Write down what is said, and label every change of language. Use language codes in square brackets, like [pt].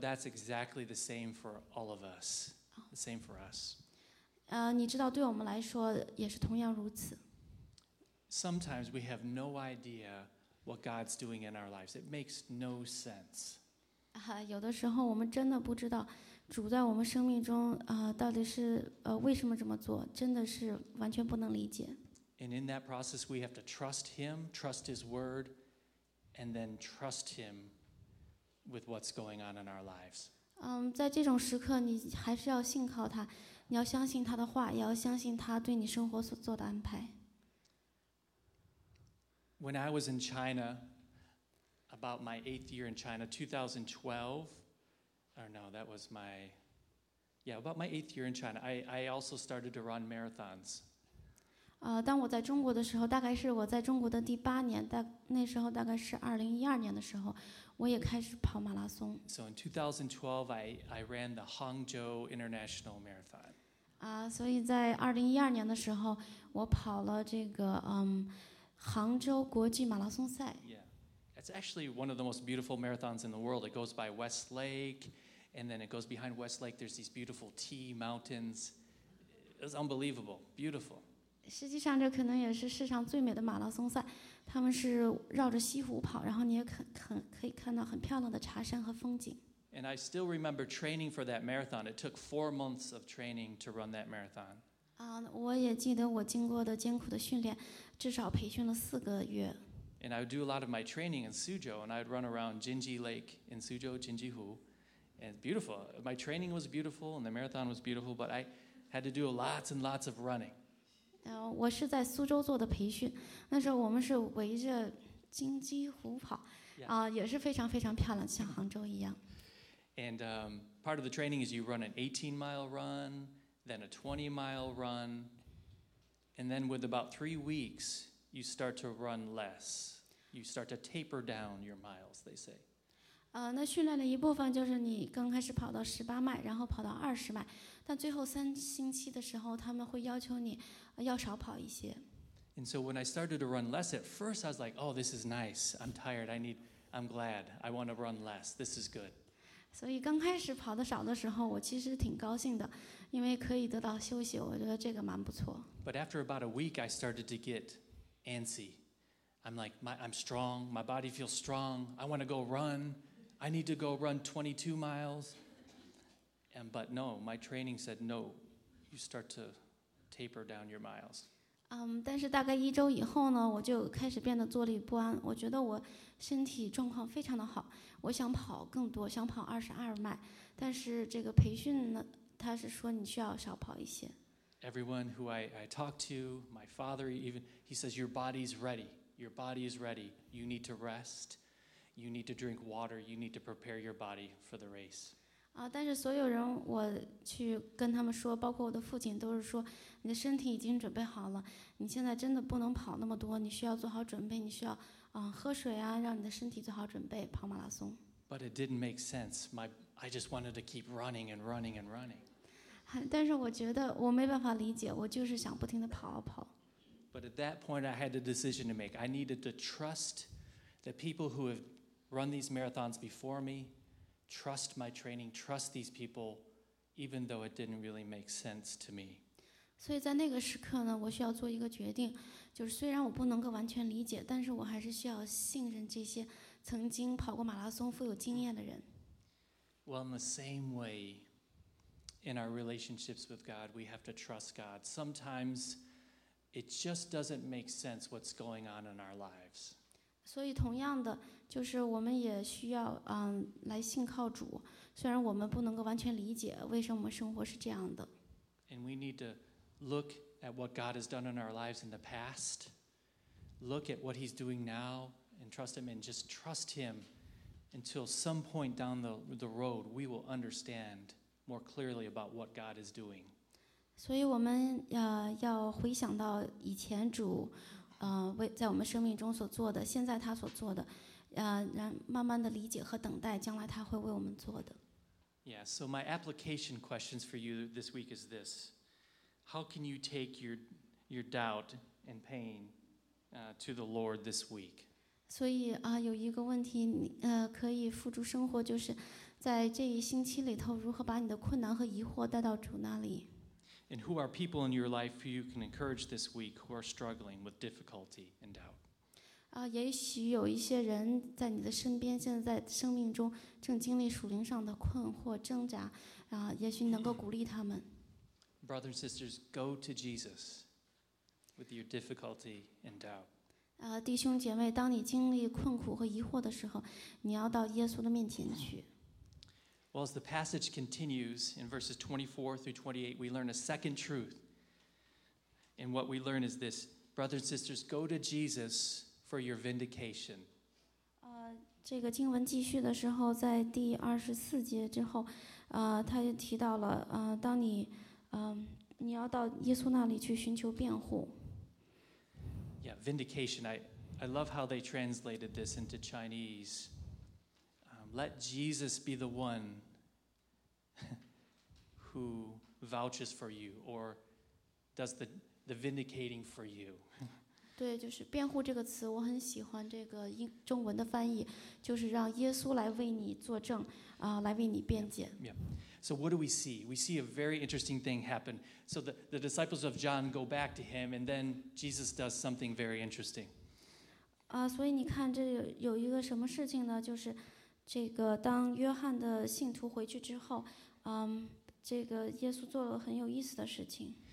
[en] That's exactly the same for all of us. The same for us. [zh] 你知道，对我们来说也是同样如此。 [en] Sometimes we have no idea what God's doing in our lives. It makes no sense. [zh] 有的时候我们真的不知道主在我们生命中到底是为什么这么做，真的是完全不能理解。 [en] And in that process, we have to trust Him, trust His Word, and then trust Him. With what's going on in our lives. [zh] 在这种时刻，你还是要信靠他，你要相信他的话，也要相信他对你生活所做的安排。 [en] When I was in China, about my eighth year in China, 2012, or no, that was my, yeah, about my eighth year in China, I also started to run marathons. [zh] 当我在中国的时候，大概是我在中国的第八年，那时候大概是2012年的时候。我也开始跑马拉松。 [en] So in 2012, I ran the Hangzhou International Marathon. [zh] 所以在2012年的时候，我跑了这个杭州国际马拉松赛。 [en] Yeah, it's actually one of the most beautiful marathons in the world. It goes by West Lake, and then it goes behind West Lake. There's these beautiful tea mountains. It's unbelievable, beautiful. [zh] 实际上，这可能也是世上最美的马拉松赛。他们是绕着西湖跑，然后你也可以看到很漂亮的茶山和风景。 [en] And I still remember training for that marathon. It took 4 months of training to run that marathon. [zh] 我也记得我经过的艰苦的训练，至少培训了四个月。 [en] And I would do a lot of my training in Suzhou, and I'd run around Jinji Lake in Suzhou, Jinji Hu, and it's beautiful. My training was beautiful, and the marathon was beautiful, but I had to do lots and lots of running. [zh] 我是在苏州做的培训，那时候我们是围着金鸡湖跑，也是非常非常漂亮，像杭州一样。 [en] And part of the training is you run an 18-mile run, then a 20-mile run, and then with about 3 weeks, you start to run less. You start to taper down your miles, they say. [zh] 那训练的一部分就是你刚开始跑到十八迈，然后跑到二十迈，但最后三星期的时候，他们会要求你。要少跑一些。 [en] And so when I started to run less, at first I was like, "Oh, this is nice. I'm tired. I'm glad. I want to run less. This is good." [zh] 所以刚开始跑的少的时候，我其实挺高兴的，因为可以得到休息，我觉得这个蛮不错。 [en] But after about a week, I started to get antsy. I'm like, I'm strong. My body feels strong. I want to go run. I need to go run 22 miles. And but no, my training said no. You start to. Taper down your miles. [zh] 但是大概一周以后呢，我就开始变得坐立不安。我觉得我身体状况非常的好，我想跑更多，想跑22迈。但是这个培训呢，他是说你需要少跑一些。 [en] Everyone who I talk to, my father even, he says your body is ready. Your body is ready. You need to rest. You need to drink water. You need to prepare your body for the race. [zh] 但是所有人我去跟他们说，包括我的父亲，都是说你的身体已经准备好了，你现在真的不能跑那么多，你需要做好准备，你需要喝水啊，让你的身体做好准备跑马拉松。 [en] But it didn't make sense. I just wanted to keep running and running and running. [zh] 但是我觉得我没办法理解，我就是想不停地跑啊跑。 [en] But at that point, I had a decision to make. I needed to trust the people who have run these marathons before me. trust my training, trust these people, even though it didn't really make sense to me. [zh] 所以在那个时刻呢，我需要做一个决定，就是虽然我不能够完全理解，但是我还是需要信任这些曾经跑过马拉松、富有经验的人。 [en] Well, in the same way, in our relationships with God, we have to trust God. Sometimes it just doesn't make sense what's going on in our lives. [zh] 所以同样的，就是我们也需要来信靠主，虽然我们不能够完全理解为什么生活是这样的。 [en] And we need to look at what God has done in our lives in the past, look at what he's doing now, and trust him, and just trust him. Until some point down the road, we will understand more clearly about what God is doing. [zh] 所以我们要回想到以前主在我们生命中所做的，现在他所做的，慢慢的理解和等待将来他会为我们做的。 [en] Yeah, so my application questions for you this week is this. How can you take your doubt and pain to the Lord this week? [zh] 所以有一个问题可以付诸生活，就是在这一星期里头如何把你的困难和疑惑带到主那里。 [en] And who are people in your life who you can encourage this week who are struggling with difficulty and doubt? [zh] 也许有一些人在你的身边，现在在生命中正经历属灵上的困惑挣扎，也许能够鼓励他们。 [en] Brothers and sisters, go to Jesus with your difficulty and doubt. [zh] 弟兄姐妹，当你经历困苦和疑惑的时候，你要到耶稣的面前去。 [en] Well, as the passage continues in verses 24 through 28, we learn a second truth. And what we learn is this, brothers and sisters, go to Jesus for your vindication. [zh] 这个经文继续的时候，在第24节之后，他就提到了，当你，你要到耶稣那里去寻求辩护。 [en] Yeah, vindication. I love how they translated this into Chinese. Let Jesus be the one who vouches for you or does the vindicating for you. [zh] 对，就是辩护这个词，我很喜欢这个中文的翻译，就是让耶稣来为你作证，来为你辩解。 [en] Yeah. So what do we see? We see a very interesting thing happen. So the disciples of John go back to him, and then Jesus does something very interesting. [zh] 所以你看这有一个什么事情呢？就是这个当约翰的信徒回去之后，这个耶稣做了很有意思的事情。